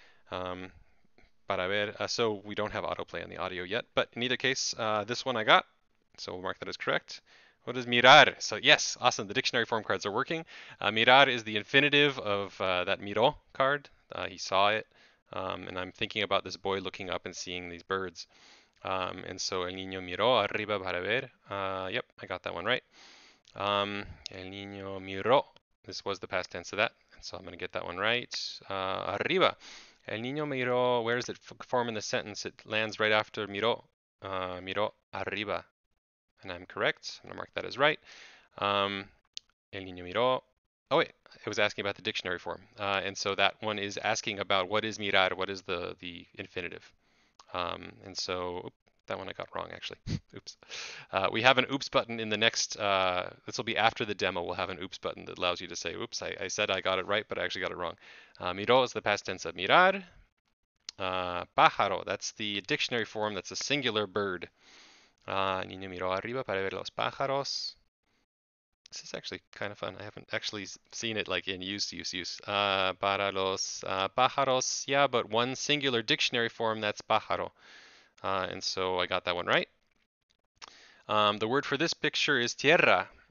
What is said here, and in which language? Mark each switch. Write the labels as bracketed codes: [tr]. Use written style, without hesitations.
[en] Para ver, so we don't have autoplay on the audio yet, but in either case, this one I got, so we'll mark that as correct. What is mirar? So yes, awesome, the dictionary form cards are working. Mirar is the infinitive of that miró card. He saw it, and I'm thinking about this boy looking up and seeing these birds. And so [es] el niño miró arriba para ver. [en] Yep, I got that one right. [es] El niño miró. [en] This was the past tense of that, so I'm going to get that one right. Arriba. [es] El niño miró. [en] Where does it form in the sentence? It lands right after miró. Miró arriba. And I'm correct. I'm going to mark that as right. [es] El niño miró. [en] Oh, wait. It was asking about the dictionary form. And so that one is asking about what is mirar? What is the infinitive? And so. Oops. That one I got wrong, actually. Oops. We have an oops button in the next. This will be after the demo. We'll have an oops button that allows you to say, oops, I said I got it right, but I actually got it wrong. Miró is the past tense of mirar. Pájaro, that's the dictionary form. That's a singular bird. [es] Niño miró arriba para ver los pájaros. [en] This is actually kind of fun. I haven't actually seen it like in use. Para los pájaros, yeah, but one singular dictionary form, that's pájaro. And so I got that one right. The word for this picture is tierra.